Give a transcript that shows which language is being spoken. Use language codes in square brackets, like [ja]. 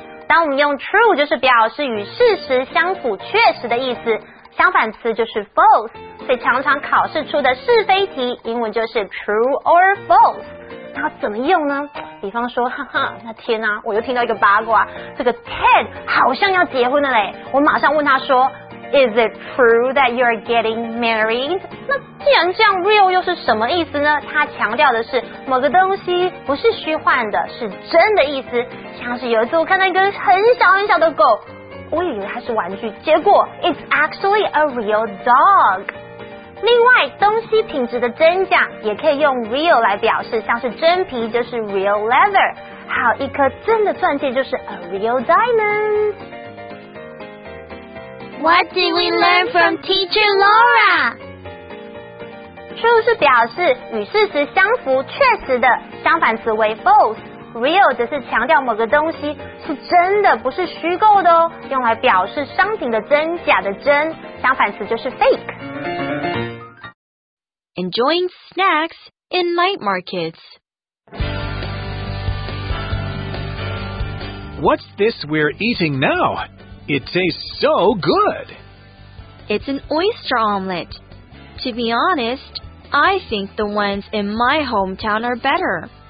[zh] 当我们用 true， 就是表示与事实相符、确实的意思，相反词就是 false， 所以常常考试出的是非题，英文就是 [en] true or false。 [zh] 那怎么用呢？比方说，哈哈，那天啊，我又听到一个八卦，这个 Ted 好像要结婚了嘞。我马上问他说 [en] ，Is it true that you're getting married？ [zh] 那既然这样 ，real 又是什么意思呢？他强调的是某个东西不是虚幻的，是真的意思。像是有一次我看到一个很小很小的狗，我以为它是玩具，结果 [en] it's actually a real dog。 [zh] 另外，东西品质的真假也可以用 real 来表示，像是真皮就是 [en] real leather， [zh] 还有一颗真的钻戒就是 [en] a real diamond。 What did we learn from Teacher Laura？ [zh] True 是表示与事实相符、确实的，相反词为 false。 Real 则是强调某个东西是真的，不是虚构的哦，用来表示商品的真假的真，相反词就是 fake。 [en] Enjoying snacks in night markets. What's this we're eating now? It tastes so good. It's an oyster omelet. To be honest, I think the ones in my hometown are better.